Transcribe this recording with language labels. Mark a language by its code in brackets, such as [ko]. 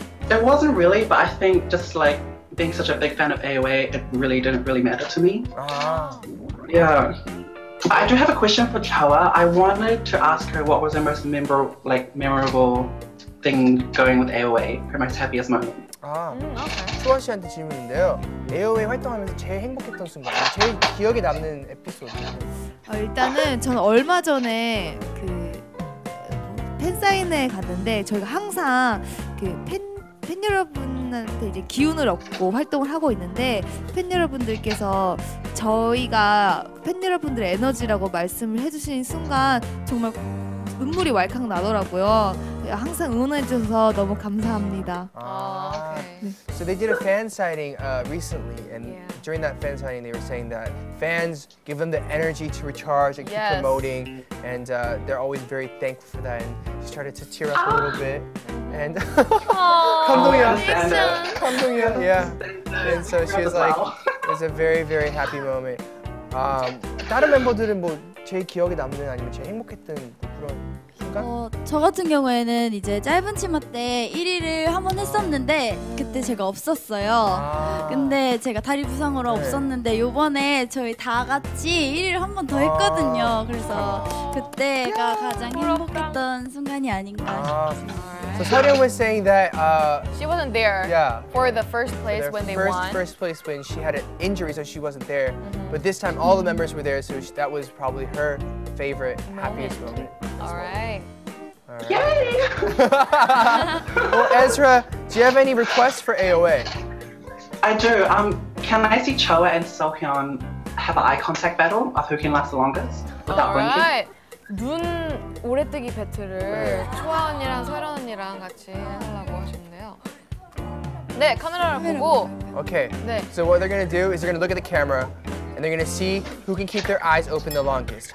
[en] It wasn't really, but I think just like being such a big fan of AOA, it really didn't really matter to me. Uh-huh. Yeah. I do have a question for Chawa. I wanted to ask her what was her most memorable thing going with AOA, her most happiest moment. [ko] 아, 초아 씨한테 질문인데요. AOA 활동하면서 제일 행복했던 순간, 제일 기억에 남는 에피소드. 일단은 전 얼마 전에 그 팬사인회에 갔는데 저희가 항상 그 팬 여러분한테 이제 기운을 얻고 활동을 하고 있는데 팬 여러분들께서 저희가 팬 여러분들의 에너지라고 말씀을 해주신 순간 정말 눈물이 왈칵 나더라고요. 항상 응원해주셔서 너무 감사합니다. [en] So they did a fan signing recently, and yeah. During that fan signing, they were saying that fans give them the energy to recharge and yes. keep promoting, and they're always very thankful for that. And she started to tear up a little bit. And [ko] 감동이야. 감동이야. [en] Yeah. And so she was like, it was a very, very happy moment. [ko] 다른 멤버들은 뭐 제일 기억에 남는 아니면 제일 행복했던 그런. 저 같은 경우에는 이제 짧은 치마 때 1위를 한번 했었는데 그때 제가 없었어요. 근데 제가 다리 부상으로 네. 없었는데 이번에 저희 다 같이 1위를 한번 더 했거든요. 그래서 그때가 가장 행복했던 순간이 아닌가 싶습니다. [en] So Sarah was saying that she wasn't there yeah. for the first place when they first, won. First place when she had an injury, so she wasn't there. Mm-hmm. But this time all the members were there, so that was probably her favorite moment. Happiest moment. All right. All right. Yay! Well, Ezra, do you have any requests for AOA? I do. Can I see Choa and Sohyun have an eye contact battle of who can last the longest without blinking? All right. [ko] 눈 오래뜨기 배틀을 초아 언니랑 설현 언니랑 같이 하려고 하셨는데요. 네, 카메라를 보고. [en] Okay. [ko] 네. [en] So what they're gonna do is they're gonna look at the camera. And they're gonna see who can keep their eyes open the longest.